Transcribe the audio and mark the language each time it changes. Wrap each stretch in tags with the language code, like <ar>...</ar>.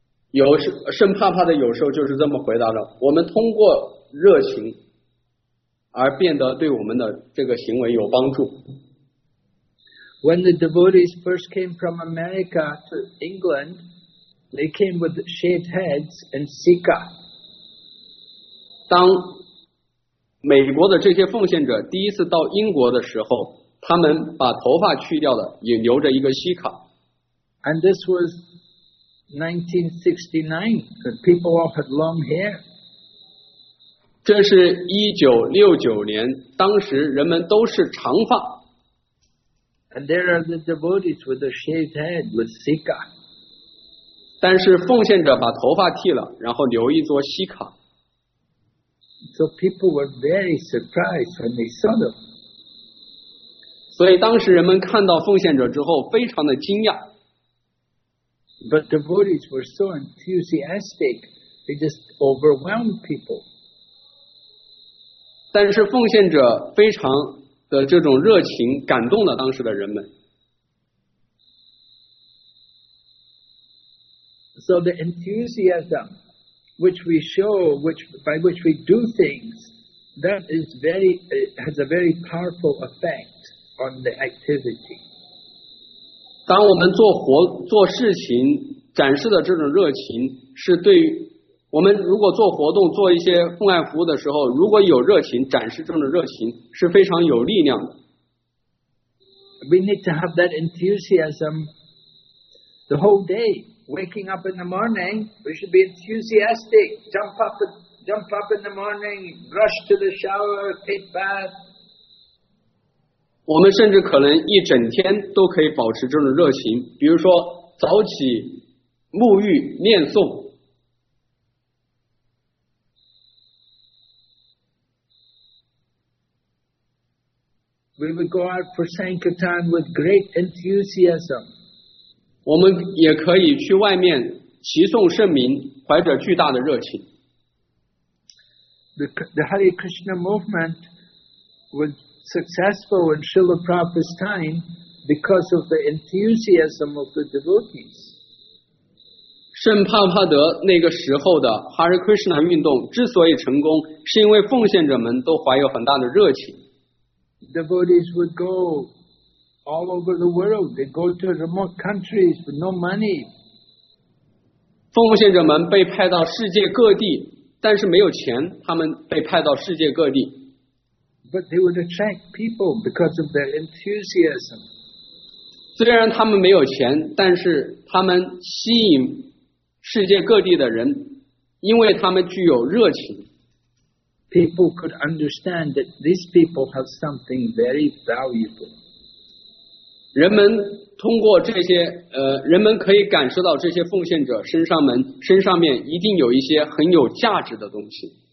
<zh>有圣帕帕的有时候就是这么回答的，我们通过热情而变得对我们的这个行为有帮助。</zh> <en>When the devotees first came from America to England, they came with shaved heads and sika.</en> <zh>当美国的这些奉献者第一次到英国的时候，他们把头发去掉了，也留着一个西卡。</zh> <en>And this was 1969, that people all had long hair.</en> <zh>这是1969年，当时人们都是长发。</zh> <en>And there are the devotees with the shaved head with sika.</en> <zh>但是奉献者把头发剃了，然后留一撮西卡。</zh> <en>So people were very surprised when they saw them.</en> <zh>所以当时人们看到奉献者之后非常的惊讶。</zh> <en>But devotees were so enthusiastic, they just overwhelmed people.</en> <zh>但是奉献者非常的这种热情感动了当时的人们。</zh> <en>So the enthusiasm,which we show, which, by which we do things, that is very, has a very powerful effect on the activity.</en> <zh>当我们做活做事情展示的这种热情是对于我们如果做活动做一些奉爱服务的时候如果有热情展示这种热情是非常有力量的。</zh> <en>We need to have that enthusiasm the whole day. Waking up in the morning, we should be enthusiastic. Jump up in the morning, rush to the shower, take bath.</en> <zh>我们甚至可能一整天都可以保持这种热情，比如说早起、沐浴、念诵。</zh> <en>We would go out for Sankirtan with great enthusiasm.</en> <zh>我们也可以去外面齐颂圣名，怀着巨大的热情。</zh> <en>The Hare Krishna movement was successful in Srila Prabhupada's time because of the enthusiasm of the devotees.</en> <zh>圣帕帕德那个时候的 Hare Krishna 运动之所以成功，是因为奉献者们都怀有很大的热情。</zh> <en>Devotees would go all over the world. They go to remote countries with no money.</en> <zh>奉献者们被派到世界各地，但是没有钱，他们被派到世界各地。</zh> <en>But they would attract people because of their enthusiasm.</en> <zh>虽然他们没有钱，但是他们吸引世界各地的人，因为他们具有热情。</zh> <en>People could understand that these people have something very valuable.</en> <zh>人们通过这些人们可以感受到这些奉献者身上面一定有一些很有价值的东西。</zh>